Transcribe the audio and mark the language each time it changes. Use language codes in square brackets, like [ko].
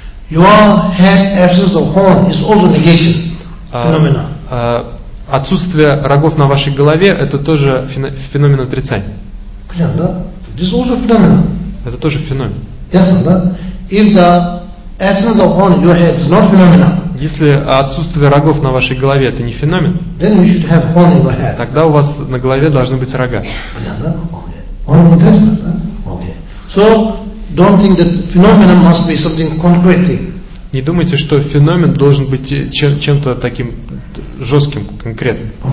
[en] Your head absence of horn is also negation. [ru] Отсутствие рогов на вашей голове – это тоже феномен отрицания. Понятно, да? [en] This also phenomena. [ru] Это тоже феномен. Ясно, да? [en] If the absence of horn your head is not phenomena. [ru] Если отсутствие рогов на вашей голове – это не феномен, [en] then you should have horn in your head. [ru] Тогда у вас на голове должны быть рога. Понятно, да? Okay. [en] Horn in the testicles, да? Okay. So, don't think that phenomenon must be something concrete. [ru] Не думайте, что феномен должен быть чем-то таким жестким, конкретным.